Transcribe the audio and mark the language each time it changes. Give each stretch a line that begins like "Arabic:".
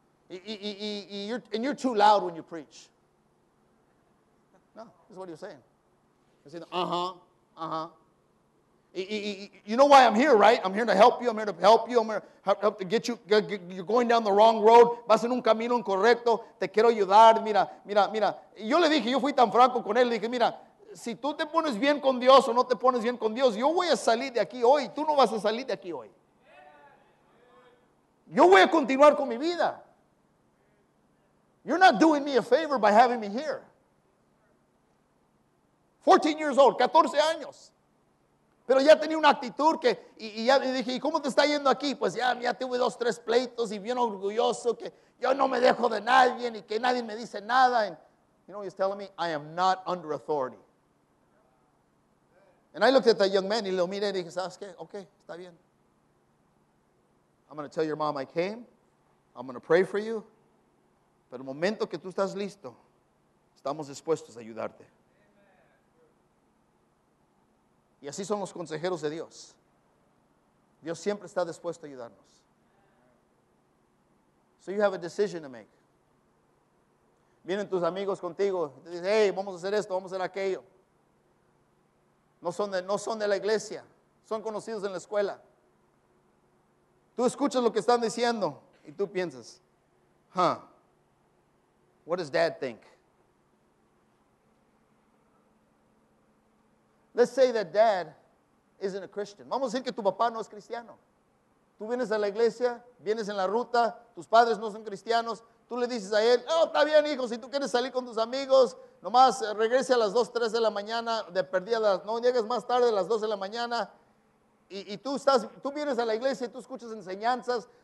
English: And you're too loud when you preach. No, that's what you're saying. He said, you know why I'm here, right? I'm here to help you. I'm here to help you. I'm here to help to get you. You're going down the wrong road.
Spanish: Vas en un camino incorrecto. Te quiero ayudar. Mira. Y yo le dije, yo fui tan franco con él. Le dije, mira, si tú te pones bien con Dios o no te pones bien con Dios, yo voy a salir de aquí hoy. Tú no vas a salir de aquí hoy. Yo voy a continuar con mi vida.
English: You're not doing me a favor by having me here. 14 years old,
Spanish: 14 años. Pero ya tenía una actitud que, y dije, ¿y cómo te está yendo aquí? Pues ya tuve 2-3 pleitos y bien orgulloso que yo no me dejo de nadie ni que nadie me dice nada.
English: And, you know, he's telling me, I am not under authority. And I looked at that young man
Spanish: y lo miré y dije, ¿sabes qué? Okay, está bien.
English: I'm going to tell your mom I came. I'm going to pray for you.
Spanish: Pero el momento que tú estás listo, estamos dispuestos a ayudarte. Y así son los consejeros de Dios. Dios siempre está dispuesto a ayudarnos.
English: So you have a decision to make.
Spanish: Vienen tus amigos contigo. Te dicen, hey, vamos a hacer esto, vamos a hacer aquello. No son de la iglesia. Son conocidos en la escuela. Tú escuchas lo que están diciendo. Y tú piensas,
English: huh, what does dad think? Let's say that dad isn't a Christian.
Spanish: Vamos a decir que tu papá no es cristiano. Tú vienes a la iglesia, vienes en la ruta, tus padres no son cristianos. Tú le dices a él, oh, está bien, hijo, si tú quieres salir con tus amigos, nomás regrese a las 2, 3 de la mañana, de perdida, no llegues más tarde a las 2 de la mañana. Y tú vienes a la iglesia y tú escuchas enseñanzas.